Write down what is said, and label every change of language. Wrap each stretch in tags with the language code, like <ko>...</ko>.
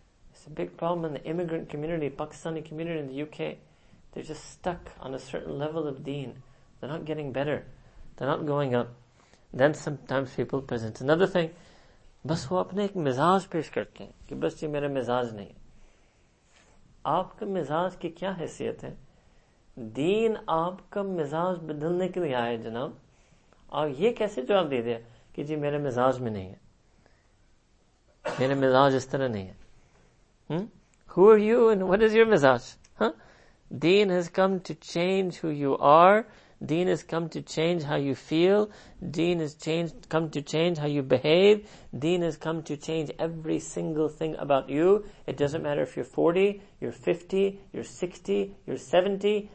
<en>It's a big problem in the immigrant community, Pakistani community in the UK. They're just stuck on a certain level of deen. They're not getting better. They're not going up. Then sometimes people present another thing.</en> <ur>بس وہ اپنے ایک مزاج پیش کرتے ہیں کہ بس یہ میرا مزاج نہیں. آپ کا مزاج کی کیا حیثیت ہے؟ دین آپ کا مزاج بدلنے کے لیے آئے جناب, اور یہ کیسے جواب دے دیا کہ جی میرے مزاج میں نہیں ہے, میرے مزاج اس طرح نہیں ہے.</ur> <en>Who are you and what is your مزاج? Deen has come to change who you are. Deen has come to change how you feel. Deen has come to change how you behave. Deen has come to change every single thing about you. It doesn't matter if you're 40, you're 50, you're 60, you're 70.</en>